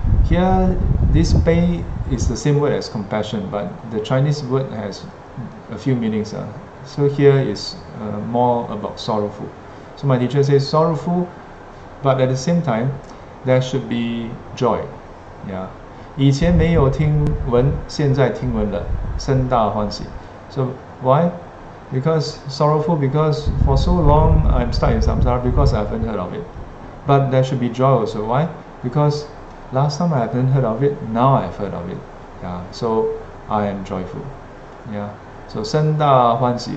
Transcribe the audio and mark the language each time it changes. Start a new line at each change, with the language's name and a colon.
English: Here, this 悲 is the same word as compassion, but the Chinese word has a few meanings. So, here is more about sorrowful. So, my teacher says, sorrowful, but at the same time, there should be joy. Yeah.
Chinese: 以前没有听闻，现在听闻了，深大欢喜.
English: So why? Because sorrowful, because for so long I'm stuck in samsara because I haven't heard of it. But there should be joy also. Why? Because last time I haven't heard of it, now I've heard of it. Yeah. So I am joyful. Yeah. So
Chinese: 深大欢喜.